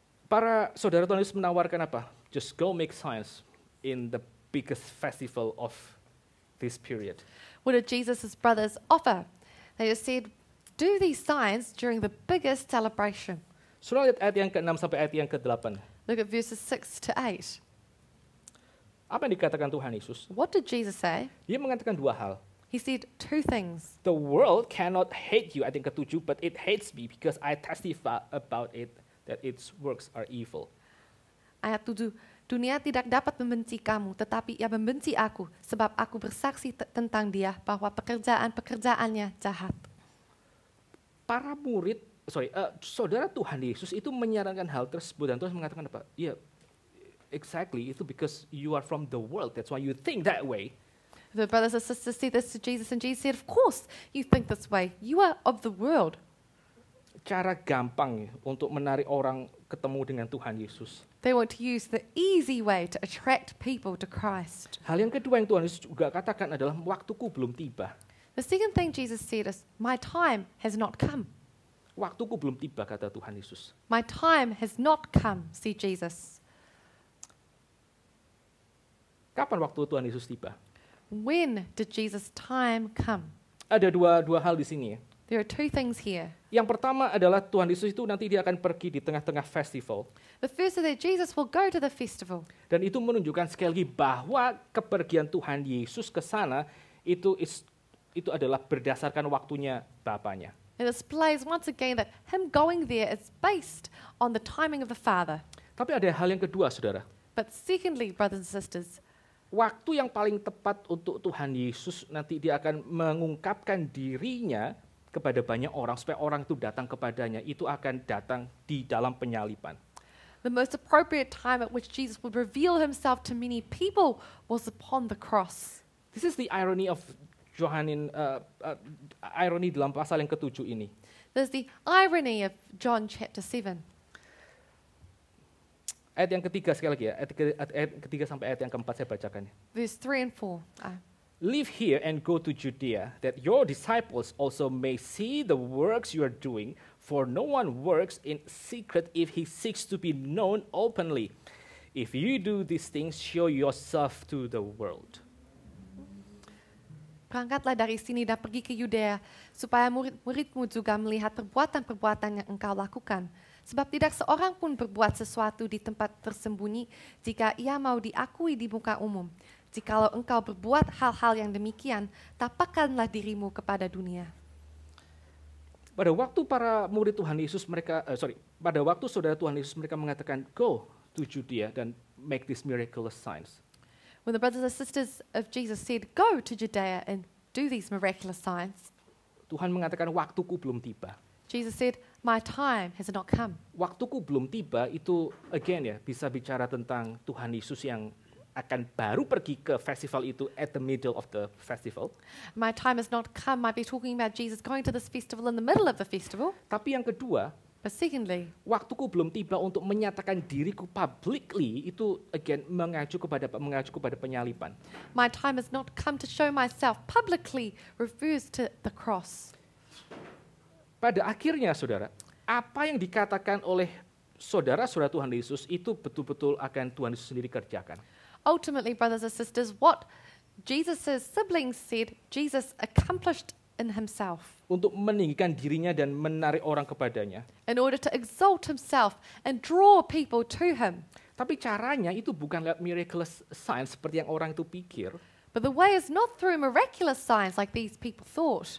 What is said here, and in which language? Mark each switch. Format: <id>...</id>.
<id>Para saudara Thomas menawarkan apa?</id> <en>Just go make signs in the biggest festival of this period. What did Jesus' brothers offer? They just said, do these signs during the biggest celebration.</en> <id>Surah ayat yang ke-6 sampai ayat yang ke-8.</id> <en>Look at verses 6 to 8.</en> <id>Apa yang dikatakan Tuhan Yesus?</id> <en>What did Jesus say?</en> <id>Dia mengatakan dua hal.</id> <en>He said two things. The world cannot hate you,</en> <id>ayat yang ke-7,</id> <en>but it hates me because I testify about it that its works are evil.</en> <id>Ayat 7, dunia tidak dapat membenci kamu, tetapi ia membenci aku, sebab aku bersaksi tentang dia bahwa pekerjaan-pekerjaannya jahat. Para murid, saudara Tuhan Yesus itu menyarankan hal tersebut dan Tuhan mengatakan apa?</id> <en>Yeah, exactly.</en> <id>Itu</id> <en>because you are from the world. That's why you think that way. The brothers and sisters said this to Jesus, and Jesus said, "Of course you think this way. You are of the world."</en> <id>Cara gampang untuk menarik orang ketemu dengan Tuhan Yesus.</id> <en>They want to use the easy way to attract people to Christ.</en> <id>Hal yang kedua yang Tuhan Yesus juga katakan adalah waktuku belum tiba.</id> <en>The second thing Jesus said is, my time has not come.</en> <id>Waktuku belum tiba, kata Tuhan Yesus.</id> <en>My time has not come, see Jesus.</en> <id>Kapan waktu Tuhan Yesus tiba?</id> <en>When did Jesus' time come?</en> <id>Ada dua hal di sini.</id> <en>There are two things here.</en> <id>Yang pertama adalah Tuhan Yesus itu nanti dia akan pergi di tengah-tengah festival.</id> <en>The first is that Jesus will go to the festival.</en> <id>Dan itu menunjukkan sekali lagi bahwa kepergian Tuhan Yesus ke sana itu adalah berdasarkan waktunya Bapanya.</id> <en>It displays once again that him going there is based on the timing of the Father.</en> <id>Tapi ada hal yang kedua, saudara.</id> <en>But secondly, brothers and sisters,</en> <id>waktu yang paling tepat untuk Tuhan Yesus nanti dia akan mengungkapkan dirinya kepada banyak orang supaya orang itu datang kepadanya itu akan datang di dalam penyaliban.</id> <en>The most appropriate time at which Jesus would reveal himself to many people was upon the cross. This is the irony of Johanin irony</en> <id>dalam pasal yang ke-7 ini.</id> <en>There's the irony of John chapter 7.</en> <id>Ayat yang ketiga sekali lagi ya, ayat ketiga sampai ayat yang keempat saya bacakan.</id> <en>Verse 3 and 4. Leave here and go to Judea, that your disciples also may see the works you are doing, for no one works in secret if he seeks to be known openly. If you do these things, show yourself to the world.</en> <id>Berangkatlah dari sini dan pergi ke Yudea, supaya murid-muridmu juga melihat perbuatan-perbuatan yang engkau lakukan. Sebab tidak seorang pun berbuat sesuatu di tempat tersembunyi jika ia mau diakui di muka umum. Jikalau engkau berbuat hal-hal yang demikian, tapakkanlah dirimu kepada dunia. Pada waktu para murid Tuhan Yesus mereka, pada waktu saudara Tuhan Yesus mereka mengatakan,</id> <en>go to Judea</en> <id>dan</id> <en>make these miraculous signs. When the brothers and sisters of Jesus said, go to Judea and do these miraculous signs.</en> <id>Tuhan mengatakan, waktuku belum tiba.</id> <en>Jesus said, my time has not come.</en> <id>Waktuku belum tiba itu, again ya, bisa bicara tentang Tuhan Yesus yang akan baru pergi ke festival itu</id> <en>at the middle of the festival. My time has not come. Might be talking about Jesus going to this festival in the middle of the festival.</en> <id>Tapi yang kedua,</id> <en>but secondly,</en> <id>waktuku belum tiba untuk menyatakan diriku publicly itu again mengacu kepada penyaliban.</id> <en>My time has not come to show myself publicly refers to the cross.</en> <id>Pada akhirnya, saudara, apa yang dikatakan oleh saudara-saudara Tuhan Yesus itu betul-betul akan Tuhan Yesus sendiri kerjakan.</id> <en>Ultimately, brothers and sisters, what Jesus' siblings said, Jesus accomplished in himself.</en> <id>Untuk meninggikan dirinya dan menarik orang kepadanya.</id> <en>In order to exalt himself and draw people to him.</en> <id>Tapi caranya itu bukan lewat miraculous signs seperti yang orang itu pikir.</id> <en>But the way is not through miraculous signs like these people thought.</en>